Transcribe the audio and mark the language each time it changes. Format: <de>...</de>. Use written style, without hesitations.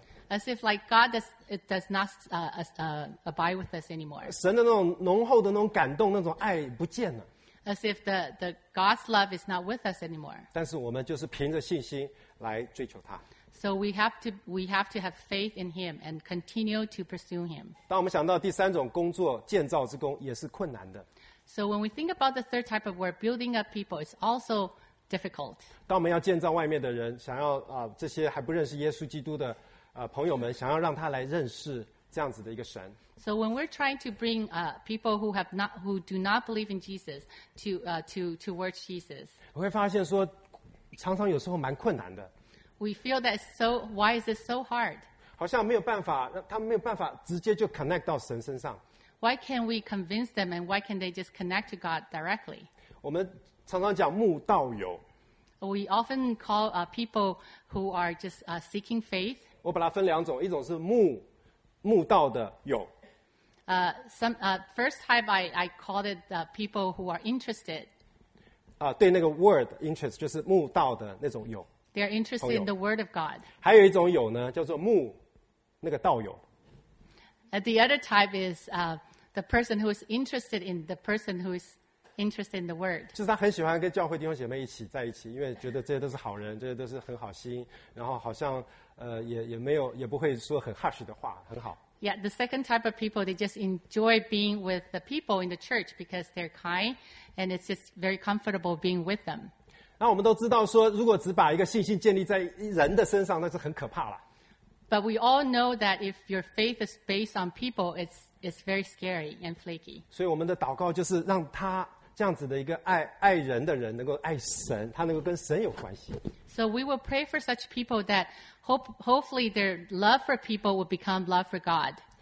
<en>As if like God does not abide with us anymore.</en> <zh>神的那种浓厚的那种感动,那种爱,</zh> <en>as if the God's love is not with us anymore.</en> <zh>但是我们就是凭着信心来追求他。</zh> <en>So we have to have faith in him and continue to pursue him.</en> <zh>当我们想到第三种工作, 建造之工, 也是困难的。</zh> <en>So when we think about the third type of work, building up people, it's also difficult.</en> <zh>当我们要建造外面的人, 想要, 这些还不认识耶稣基督的, 朋友们, 想要让他来认识, 这样子的一个神。</zh> <en>So when we're trying to bring people who do not believe in Jesus to worship Jesus,</en> <zh>我会发现说, 常常有时候蛮困难的。</zh> <en>We feel that so. Why is it so hard?</en> <zh>好像没有办法, 他们没有办法, 直接就connect到神身上。</zh> <en>Why can't we convince them and why can't they just connect to God directly?</en> <zh>我们常常讲慕道友。</zh> <en>We often call people who are just seeking faith.</en> <zh>我把它分两种, 一种是慕, 慕道的友。</zh> <en>First type I called it people who are interested.</en> <zh>对那个</zh> <en>word interest</en> <zh>就是慕道的那种友。</zh> <en>They are interested</en> <zh>朋友,</zh> <en>in the word of God.</en> <zh>还有一种有呢, 叫做慕, 那个道友。</zh> <en>The other type is the person who is interested in the person who is interested in the word.</en> <zh>就是他很喜欢跟教会弟兄姐妹一起在一起, 因为觉得这些都是好人, 这些都是很好心, 然后好像, 也没有, 也不会说很harsh的话, 很好。</zh> <en>Yeah, the second type of people, they just enjoy being with the people in the church because they're kind and it's just very comfortable being with them.</en> <zh>那我们都知道说, 如果只把一个信心建立在人的身上, 那是很可怕了。</zh> <en>But we all know that if your faith is based on people, it's very scary and flaky.</en> <zh>所以我们的祷告就是让他这样子的一个爱人的人能够爱神,他能够跟神有关系。</zh> <en>So we will pray for such people that hopefully their love for people will become love for God.</en>